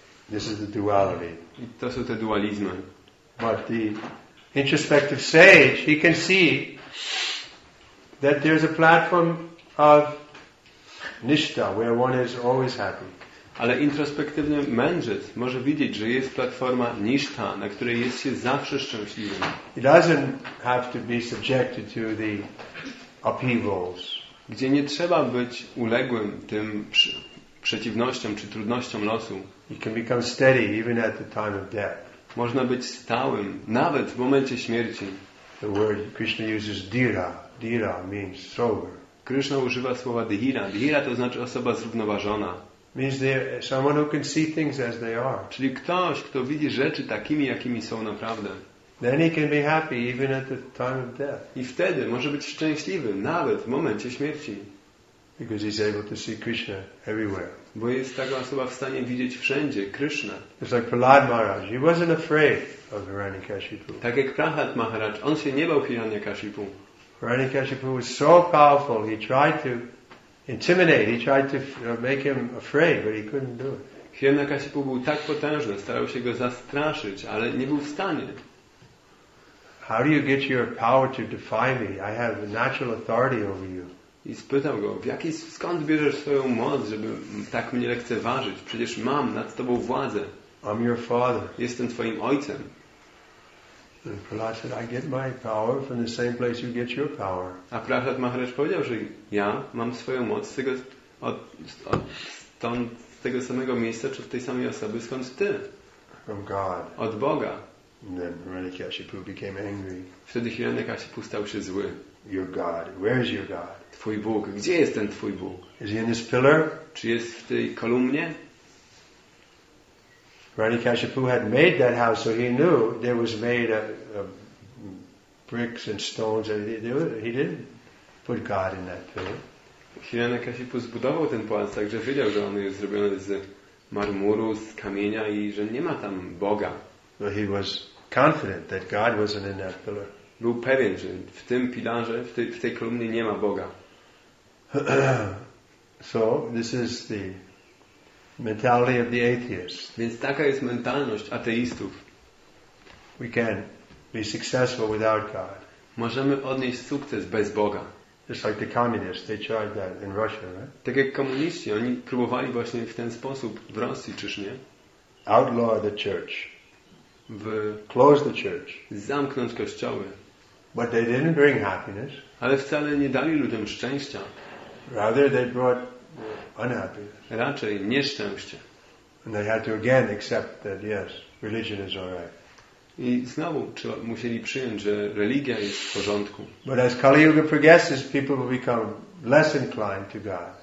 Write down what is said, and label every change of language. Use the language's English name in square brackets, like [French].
[English] This is the duality. [Polish] I to są te dualizmy. [English] But the introspective sage, he can see that there's a platform of nishta where one is always happy. [Polish] Ale introspektywny mędrzec może widzieć, że jest platforma nishta, na której jest się zawsze szczęśliwym. [English] He doesn't have to be subjected to the upheavals. [Polish] Gdzie nie trzeba być uległym tym przeciwnościom czy trudnościom losu. [English] He can become steady even at the time of death. [Polish] Można być stałym nawet w momencie śmierci. [English] The word Krishna uses dhīra. Dhīra means sober. [Polish] Krishna używa słowa dhīra. Dhīra to znaczy osoba zrównoważona. [English] Means someone who can see things as they are. [Polish] Czyli ktoś, kto widzi rzeczy takimi, jakimi są naprawdę. [English] Then he can be happy even at the time of death. [Polish] I wtedy może być szczęśliwy nawet w momencie śmierci. [English] Because he's able to see Krishna everywhere. [Polish] Bo jest taka osoba w stanie widzieć wszędzie Krishna. [English] It's like Prahlad Maharaj. He wasn't afraid of Hiranyakashipu. [Polish] Tak jak Prahlad Maharaj, on się nie bał Hiranyakashipu. [English] Hiranyakashipu was so powerful, he tried to intimidate, he tried to make him afraid, but he couldn't do it. [Polish] Hiranyakashipu był tak potężny, starał się go zastraszyć, ale nie był w stanie. [English] How do you get your power to defy me? I have natural authority over you. [Polish] I spytał go, skąd bierzesz swoją moc, żeby tak mnie lekceważyć? Przecież mam nad tobą władzę. [English] I'm your father. [Polish] Jestem twoim ojcem. [English] Prahlad said, I get my power from the same place you get your power. [Polish] A Prahlad Maharaj powiedział, że ja mam swoją moc z tego samego miejsca, czy w tej samej osoby, skąd ty? [English] From God. [Polish] Od Boga. [English] And then Hiranyakashipu became angry. [Polish] Wtedy Hiranyakashipu stał się zły. [English] Your God, where is your God? [Polish] Twój Bóg, gdzie jest ten twój Bóg? [English] Is he in this pillar? [Polish] Czy jest w tej kolumnie? [English] Hiranyakashipu had made that house, so he knew there was made of bricks and stones. He didn't put God in that pillar. [Polish] Hiranyakashipu zbudował ten pałac, także wiedział, że on jest zrobiony z marmuru, z kamienia i że nie ma tam Boga. [English] So he was confident that God wasn't in that pillar. [Polish] Był pewien, że w tym pilarze, w tej kolumnie nie ma Boga. [English] So this is the mentality of the atheist. [Polish] Więc taka jest mentalność ateistów. [English] We can be successful without God. [Polish] Możemy odnieść sukces bez Boga. [English] Just like the communists, they tried that in Russia, right? [Polish] Tak jak komuniści, oni próbowali właśnie w ten sposób w Rosji, czyż nie? [English] Outlaw the church. Close the church. [Polish] Zamknąć kościoły. [English] But they didn't bring happiness. [Polish] Ale wcale nie dali ludziom szczęścia. [English] Rather they brought unhappiness. [Polish] Raczej nieszczęście. [English] And they had to again accept that yes, religion is all right. [Polish] I znowu musieli przyjąć, że religia jest w porządku. [English] But as Kali Yuga progresses, people will become less inclined to God.